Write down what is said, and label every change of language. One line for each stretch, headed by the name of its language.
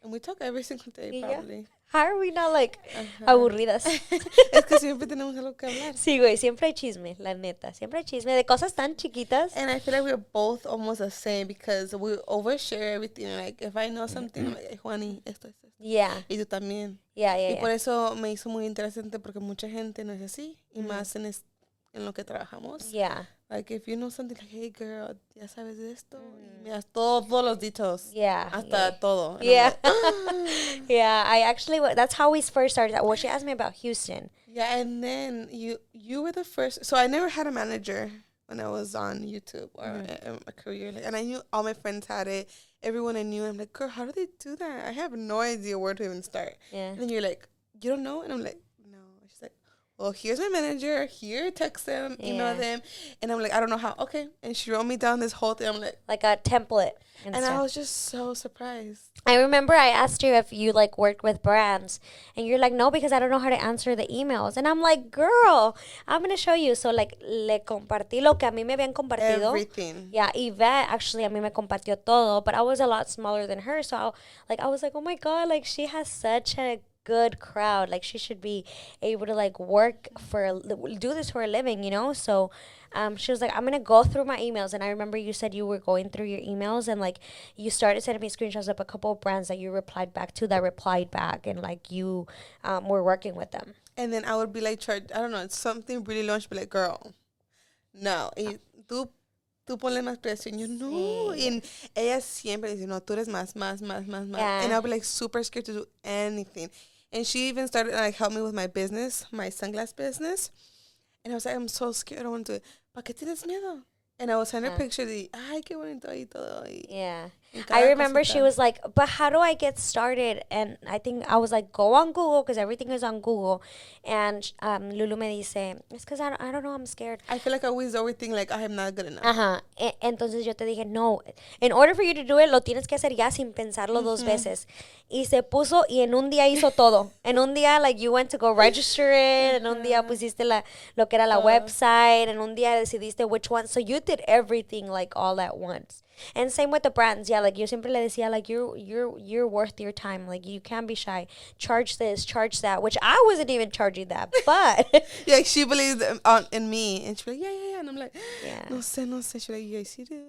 English: And we talk every single day, probably. Yeah. How are we not, like, aburridas?
Spanish: Es que siempre tenemos algo que hablar. Sí, güey, siempre hay chisme, la neta. Siempre hay chisme de cosas tan chiquitas.
English: And I feel like we're both almost the same because we overshare everything. Like, if I know something, I'm like, Juani,
Spanish: esto es esto.
English: Yeah.
Spanish: Y tú también.
English: Yeah.
Spanish: Y por eso me hizo muy interesante porque mucha gente no es así. Y más en lo que trabajamos.
English: Yeah. Like, if you know something, like, hey, girl,
Spanish: ¿ya sabes de esto? Me das todos los dichos.
English: Yeah.
Spanish: Hasta todo.
English: And yeah. Like, yeah, I actually, that's how we first started. Well, she asked me about Houston. Yeah, and then you were the first. So I never had a manager when I was on YouTube or a career. Like, and I knew all my friends had it. Everyone I knew. I'm like, girl, how do they do that? I have no idea where to even start. Yeah. And you're like, you don't know? And I'm like, well, here's my manager. Here, text them, email them. And I'm like, I don't know how. Okay. And she wrote me down this whole thing. I'm like. Like a template. And stuff. I was just so surprised. I remember I asked you if you, like, worked with brands. And you're like, no, because I don't know how to answer the emails. And I'm like, girl, I'm going to show you. So, like,
Spanish: le compartí lo que a mí me habían compartido.
English: Everything.
Spanish: Yeah, Yvette, actually, a mí me compartió todo.
English: But I was a lot smaller than her. So, I was like, oh, my God, like, she has such a good crowd, like she should be able to, like, work for do this for a living, you know. So she was like, I'm gonna go through my emails. And I remember you said you were going through your emails, and, like, you started sending me screenshots of a couple of brands that you replied back to, that replied back, and, like, you were working with them. And then I would be like, I don't know, it's something really launched, be like, girl,
Spanish: no, tú ponle más presión. Yo, no. Sí. Y ella siempre dice, no, tú eres más.
English: Yeah. And I'll be, like, super scared to do anything. And she even started, like, help me with my business, my sunglass business. And I was like, I'm so scared. I don't want to do it.
Spanish: ¿Para qué tienes miedo?
English: And I was sending her pictures.
Spanish: Y, ay, qué bonito. Y todo. Y,
English: yeah. I remember she was like, but how do I get started? And I think I was like, go on Google, because everything is on Google. And Lulu
Spanish: me dice,
English: it's because I don't know, I'm scared. I feel like I always overthink, like, I am not good enough.
Spanish: Uh-huh. Entonces yo te dije, no,
English: in order for you to do it,
Spanish: lo tienes que hacer ya sin pensarlo dos veces. Y se puso, y en un día hizo todo. En un día,
English: like, you went to go register it.
Spanish: En un día pusiste lo que era la website. En un día decidiste
English: which one. So you did everything, like, all at once. And same with the brands. Yeah, like,
Spanish: yo siempre le decía,
English: like, you're worth your time. Like, you can't be shy. Charge this, charge that, which I wasn't even charging that, but. Yeah, she believed in me. And she was like, yeah. And I'm like,
Spanish: no sé, no sé.
English: She's like, yes, you do.